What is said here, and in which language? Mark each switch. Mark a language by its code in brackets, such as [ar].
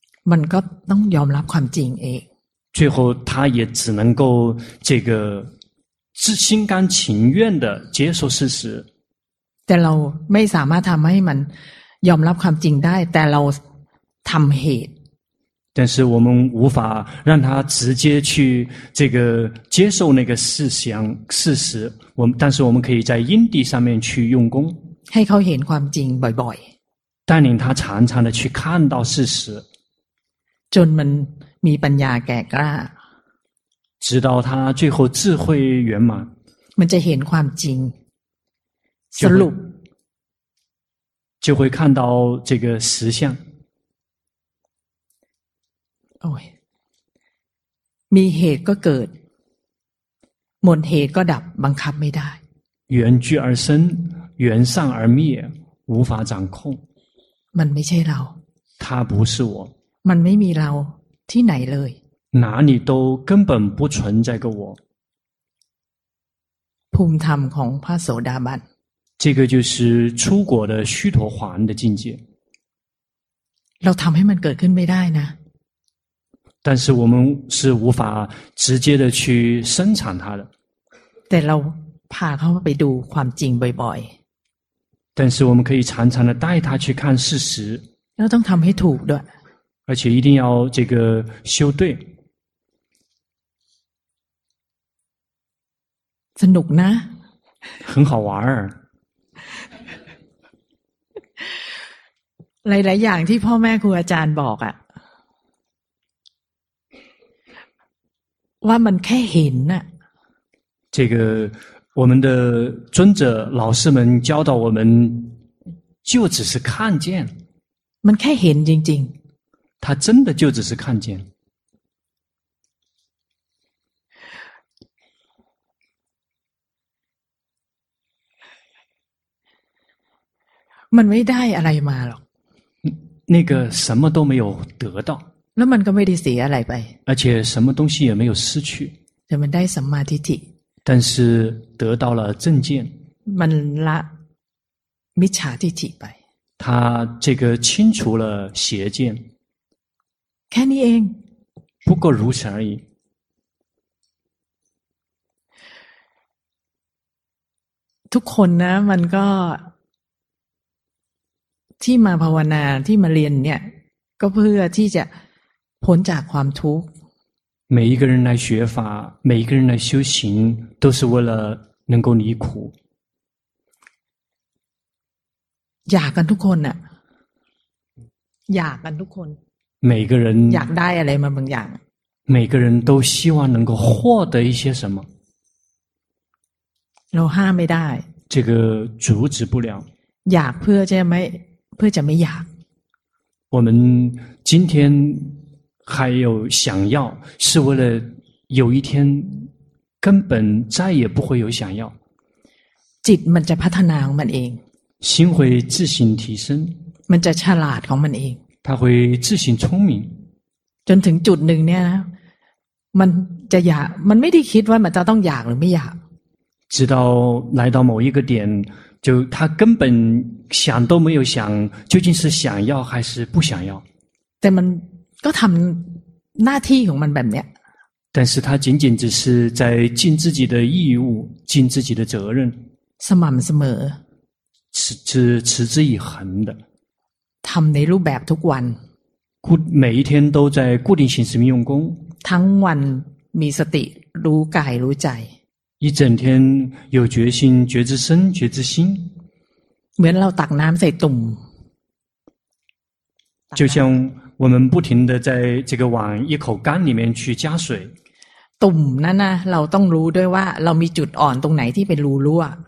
[th] มันก็ต้องยอมรับความจริงเอง。 [zh] 最后他也只能够这个自心甘情愿的接受事实。 [th] แต่เราไม่สามารถทำให้มันยอมรับความจริงได้แต่เราทำเหตุ。 [zh] 但是我们无法让他直接去这个接受那个事想事实我们但是我们可以在因地上面去用功 [th] ให้เขาเห็นความจริงบ่อย [zh] ๆ带领他常常的去看到事实 [th] จนมันมีปัญญาแก่กล้า [zh] 直到他最后智慧圆满 [th] มันจะเห็นความจริงสรุป [zh] 就会看到这个实相 [th] โอ้ยมีเหตุก็เกิดหมดเหตุก็ดับบังคับไม่ได้ [zh] 缘聚而生缘散而灭无法掌控 [th] มันไม่ใช่เรา [zh] 它不是我 [th] มันไม่มีเราที่ไหนเลย [zh] 哪里都根本不存在个我 [th] ภูมิธรรมของพระโสดาบัน [zh] 这个就是出果的须陀洹的境界 [th] เราทำให้มันเกิดขึ้นไม่ได้นะ [zh] 但是我们是无法直接的去生产它的。 [th] แต่เราพาเขาไปดูความจริงบ่อย [zh] ๆ但是我们可以常常的带他去看事实。 [th] แล้วต้องทำให้ถูกด้วย [zh] 而且一定要这个修对。 [th] สนุกนะ [zh] 很好玩儿。 [th] หลายๆอย่างที่พ่อแม่ครูอาจารย์บอกอ่ะว่ามันแค่เห็นน่ะ [zh] 这个我们的尊者老师们教导我们就只是看见 [th] มันแค่เห็นจริง [zh] ๆ他真的就只是看见 [th] มันไม่ได้อะไรมาหรอก [zh] 那个什么都没有得到 [th] แล้วมันก็ไม่ได้เสียอะไรไป [zh] 而且什么东西也没有失去 [th] แต่มันได้สัมมาทิฏฐิ [zh] 但是得到了正见 [th] มันละมิจฉาทิฏฐิไป [zh] 他这个清除了邪见 [th] แค่นี้เอง [zh] 不过如此而已 [th] ทุกคนนะมันก็ที่มาภาวนาที่มาเรียนเนี่ยก็เพื่อที่จะพ้นจากความทุกข์ [zh] 每一个人来学法每一个人来修行都是为了能够离苦 [th] อยากกันทุกคนน่ะอยากกันทุกคน [zh] 每个人 [th] อยากได้อะไรมาบางอย่าง [zh] 每个人都希望能够获得一些什么 [th] เราห้ามไม่ได้ [zh] 这个阻止不了 [th] อยากเพื่อจะไม่เพื่อจะไม่อยาก [zh] 我们今天还有想要是为了有一天根本再也不会有想要 [th] จิตมันจะพัฒนาของมันเอง [zh] 心会自行提升 [th] มันจะฉลาดของมันเอง [zh] 它会自行聪明 [th] จนถึงจุดหนึ่งเนี่ยนะ มันจะอยากมันไม่ได้คิดว่ามันจะต้องอยากหรือไม่อยาก [zh] 直到来到某一个点就他根本想都没有想究竟是想要还是不想要 [th] แต่มันก็ทำหน้าที่ของมันแบบเนี้ย [zh] 但是他仅仅只是在尽自己的义务尽自己的责任 [th] สม่ำเสม [zh] อ持之以恒的 [th] ทำในรูปแบบทุกวัน [zh] 每一天都在固定形式里用功 [th] ทั้งวันมีสติรู้กายรู้ใจ [zh] 一整天有决心觉知身觉知心 [th] เหมือนเราตักน้ำใส่ตุ่ม [zh] 就像我们不停地在这个碗一口干里面去加水 [th] ตุ่มนั้นนะเราต้องรู้ด้วยว่าเรามีจุดอ่อนตรงไหนที่เป็นรูรั่ว